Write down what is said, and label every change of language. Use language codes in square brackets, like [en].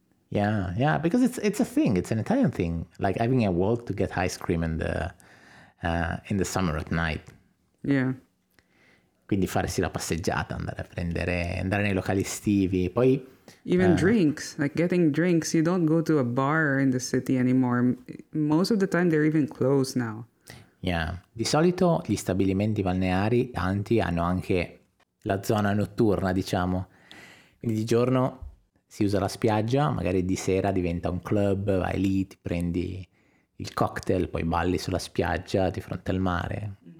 [en] Yeah, because it's a thing, it's an Italian thing, like having a walk to get ice cream in the summer at night. Yeah. [it] Quindi farsi la passeggiata, andare nei locali estivi, poi... [en] Even drinks, like getting drinks, you don't go to a bar in the city anymore, most of the time they're even closed now. Yeah. [it] Di solito gli stabilimenti balneari, tanti, hanno anche la zona notturna, diciamo. Quindi di giorno si usa la spiaggia, magari di sera diventa un club, vai lì, ti prendi il cocktail, poi balli sulla spiaggia di fronte al mare.